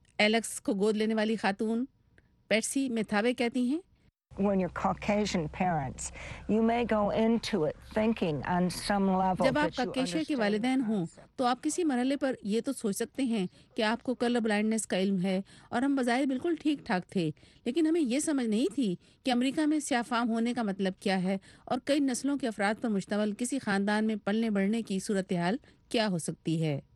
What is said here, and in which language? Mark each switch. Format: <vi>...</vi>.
<ur>Alex کو گود لینے والی خاتون پیٹسی میتھاوے کہتی ہیں،</ur> <en>When you're Caucasian parents, you may go into it thinking on some level</en> <ur>جب آپ ککیشے کے والدین ہوں تو آپ کسی مرحلے پر یہ تو سوچ سکتے ہیں کہ آپ کو کلر بلائنڈنیس کا علم ہے، اور ہم بظاہر بالکل ٹھیک ٹھاک تھے، لیکن ہمیں یہ سمجھ نہیں تھی کہ امریکہ میں سیاہ فام ہونے کا مطلب کیا ہے، اور کئی نسلوں کے افراد پر مشتمل کسی خاندان میں پلنے بڑھنے کی صورتحال کیا ہو سکتی ہے.</ur>